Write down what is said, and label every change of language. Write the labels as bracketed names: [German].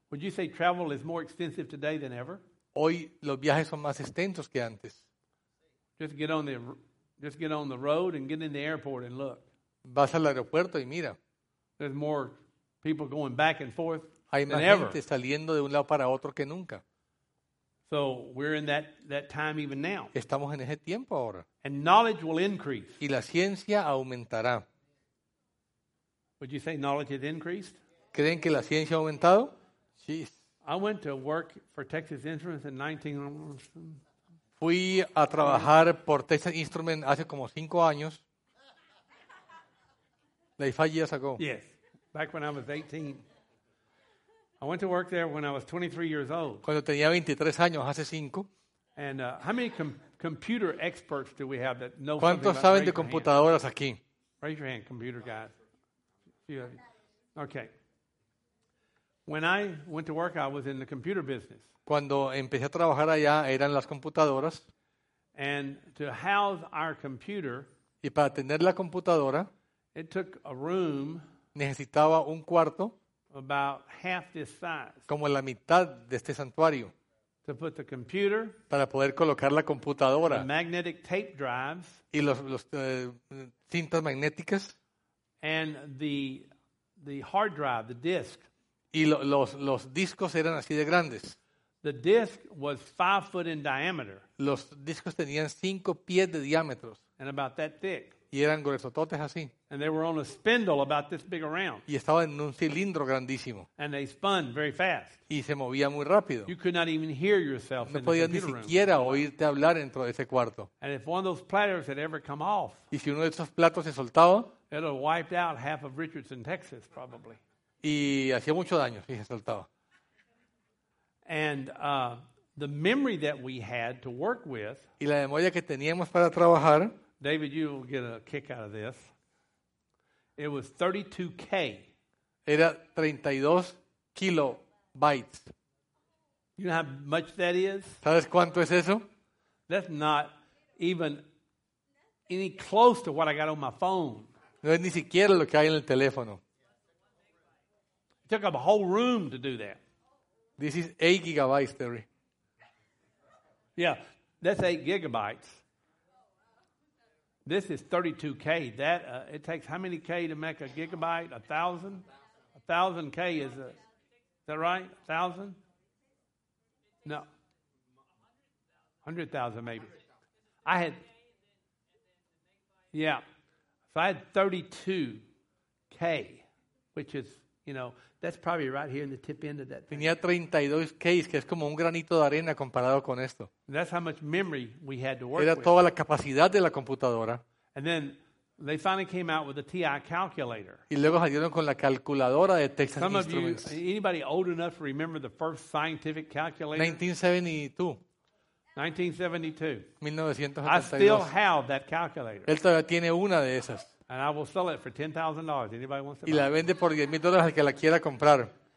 [English] Would you say travel is more extensive today than ever? [Spanish] Hoy los viajes son más extensos que antes. [English] Just get on the road and get in the airport and look. [Spanish] Vas al aeropuerto y mira. [English] There's more people going back and forth. [Spanish] Hay más gente saliendo de un lado para otro que nunca. [English] So we're in that time even now. [Spanish] Estamos en ese tiempo ahora. [English] And knowledge will increase. [Spanish] Y la ciencia aumentará. [English] Would you say knowledge has increased? [Spanish] ¿Creen que la ciencia ha aumentado? Sí. [English] I went to work for Texas Instruments in 19. [Spanish] Fui a trabajar por Texas Instruments hace como 5 años. [English] Like 5 years ago. Yes, back when I was 18. I went to work there when I was 23 years old. [Spanish] Cuando tenía 23 años, hace 5. [English] And how many computer experts do we have that know? [Spanish] ¿Cuántos saben de computadoras aquí? [English] Raise your hand, computer guys. Okay. When I went to work, I was in the computer business. [Spanish] Cuando empecé a trabajar allá, eran las computadoras. [English] And to house our computer, [Spanish] y para tener la computadora, [English] it took a room, [Spanish] necesitaba un cuarto, [English] about half this size, [Spanish] como la mitad de este santuario, [English] to put the computer, [Spanish] para poder colocar la computadora, [English] the magnetic tape drives, [Spanish] y los cintas magnéticas, [English] and the hard drive, the disk. [Spanish] Y los discos eran así de grandes. [English] The disc was 5 feet in diameter. [Spanish] Los discos tenían 5 feet de diámetro. [English] And about that thick. [Spanish] Y eran gruesototes así. [English] And they were on a spindle about this big around. [Spanish] Y estaban en un cilindro grandísimo. [English] And they spun very fast. [Spanish] Y se movía muy rápido. [English] You could not even hear yourself [Spanish] no podías ni siquiera oírte hablar dentro de ese cuarto. [English] And if one of those platters had ever come off, [Spanish] y si uno de esos platos se soltaba, [English] it would have wiped out half of Richardson, Texas, probably. [Spanish] Y hacía mucho daño, y se saltaba. [English] And the memory that we had to work with. [Spanish] Y la memoria que teníamos para trabajar. [English] David, you will get a kick out of this. It was 32K. [Spanish] Era 32 kilobytes. [English] You know how much that is? [Spanish] ¿Sabes cuánto es eso? [English] That's not even any close to what I got on my phone. [Spanish] No es ni siquiera lo que hay en el teléfono. [English] Took up a whole room to do that. This is 8 gigabytes, Terry. Yeah, that's 8 gigabytes. This is 32K. That it takes how many K to make a gigabyte? 1,000? 1,000 K is a, is that right? 1,000? No. 100,000 maybe. I had, yeah, if I had 32K, which is, you know, that's probably right here in the tip end of that thing. [Spanish] Tenía 32K, que es como un granito de arena comparado con esto. [English] And that's how much memory we had to work with. [Spanish] Era toda la capacidad de la computadora. [English] And then they finally came out with a TI calculator. [Spanish] Y luego salieron con la calculadora de Texas Instruments. [English] Some of you, anybody old enough to remember the first scientific calculator? 1972. I still have that calculator. [Spanish] Él todavía tiene una de esas. [English] And I will sell it for $10,000. Anybody wants to buy it? [Spanish] Y la vende por $10,000 al que la quiera comprar.